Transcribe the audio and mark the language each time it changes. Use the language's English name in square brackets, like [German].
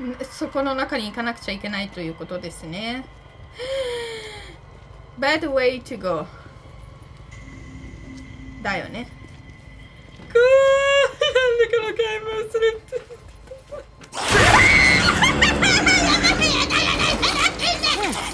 [Japanese] そこの中に行かなくちゃいけないということですね。 [English] Bad way to go [Japanese] だよね。くぅー、なんでこのゲーム忘れてやだやだやだ、死ね、死ね。